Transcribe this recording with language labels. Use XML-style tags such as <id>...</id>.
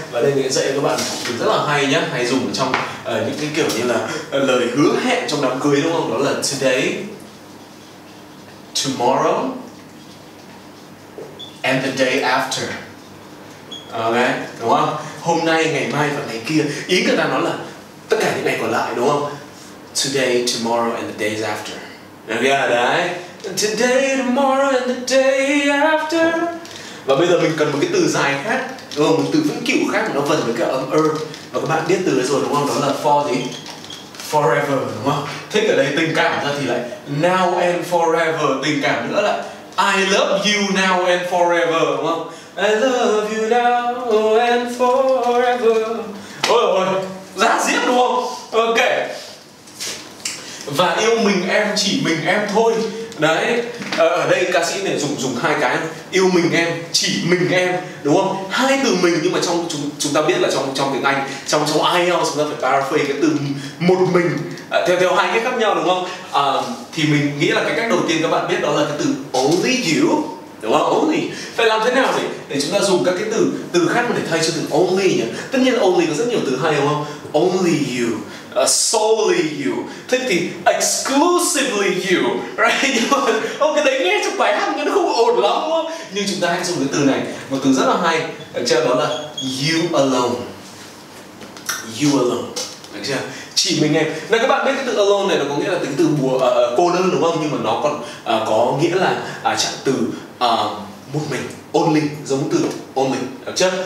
<vi>Và đây mình dạy các bạn từ rất là hay nhá, hay dùng trong những cái kiểu như là lời hứa hẹn trong đám cưới, đúng không? Đó là</vi> <en>today, tomorrow and the day after. Ok,</en> <vi>đúng không? Hôm nay, ngày mai và ngày kia. Ý người ta nói là tất cả những ngày còn lại, đúng không?</vi> <en>Today, tomorrow and the days after. Yeah,</en> <vi>đấy.</vi> <en>Today, tomorrow and the day after.</en> <vi>Và bây giờ mình cần một cái từ dài khác, một từ vĩnh cửu khác mà nó vần với cái âm er. Và các bạn biết từ đấy rồi đúng không? Đó là for gì? Forever đúng không? Thích ở đây tình cảm ra thì lại</vi> <en>now and forever,</en> <vi>tình cảm nữa là</vi> <en>I love you now and forever</en> <vi>đúng không?</vi> <en>I love you now and forever.</en> <vi>Ôi ôi, giá diễn đúng không? Ok. Và yêu mình em, chỉ mình em thôi. Đấy, ở đây ca sĩ này dùng hai cái. Yêu mình em, chỉ mình em, đúng không? Hai từ mình, nhưng mà trong chúng ta biết là trong tiếng Anh, trong IELTS chúng ta phải paraphrase cái từ một mình theo hai cách khác nhau đúng không? Thì mình nghĩ là cái cách đầu tiên các bạn biết đó là cái từ</vi> <en>only you,</en> <vi>đúng không? Only. Phải làm thế nào để chúng ta dùng các cái từ khác để thay cho từ only nhỉ? Tất nhiên only có rất nhiều từ hay đúng không?</vi> <en>Only you, solely you,</en> <vi>thế thì</vi> <en>exclusively you, right?</en> <vi>Ông cái đấy nghe trong bài hát nó không ổn lắm đúng không? Nhưng chúng ta hãy dùng cái từ này, một từ rất là hay, được chưa? Đó là</vi> <en>you alone, you alone,</en> <vi>được chưa? Chỉ mình em. Nên các bạn biết cái từ alone này nó có nghĩa là tính từ cô đơn đúng không? Nhưng mà nó còn có nghĩa là trạng từ một mình, only, giống từ only, được chưa?</vi>